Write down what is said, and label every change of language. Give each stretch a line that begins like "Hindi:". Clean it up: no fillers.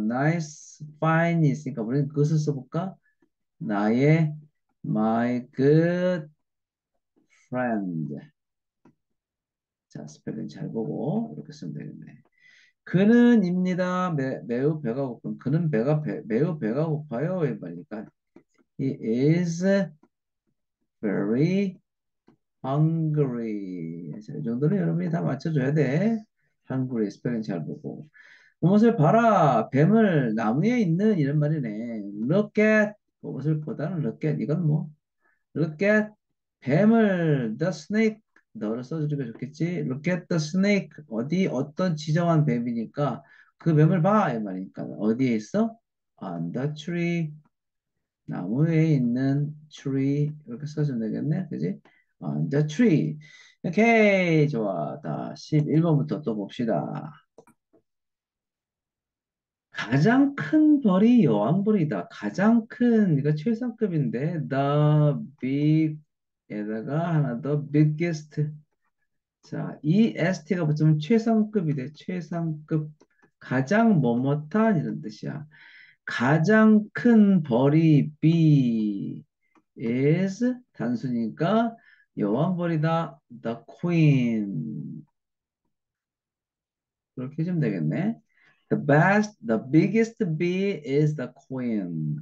Korean: Nice, fine 있으니까 우리는 그것을 써볼까?
English: 나의 my good friend.
Korean: 자, 스펠링 잘 보고 이렇게 쓰면 되겠네. 그는입니다. 매우 배가 고픈. 그는 매우 배가 고파요.
English: 이 말이니까 He is very hungry.
Korean: 자, 이 정도는 여러분이 다 맞춰줘야 돼. Hungry 스펠링 잘 보고. 무엇을 봐라. 뱀을 나무에 있는 이런 말이네. Look at 무엇을 보다는 look at 이건 뭐?
English: Look at 뱀을 the snake. 너를 써주기가 좋겠지? Look at the snake.
Korean: 어디 어떤 지정한 뱀이니까 그 뱀을 봐. 이 말이니까 어디에 있어?
English: On the tree.
Korean: 나무에 있는 tree 이렇게 써주면 되겠네, 그지? On the tree. 오케이, 좋아. 다시 1번부터 또 봅시다. 가장 큰 벌이 여왕벌이다. 가장 큰 이거 최상급인데 the big 에다가 하나 더 biggest 자 EST가 붙으면 최상급이 돼 최상급 가장 뭐뭇한 이런 뜻이야 가장 큰 벌이 B is 단수니까
English: 여왕벌이다, The Queen.
Korean: 그렇게 좀 되겠네.
English: The biggest bee is the queen.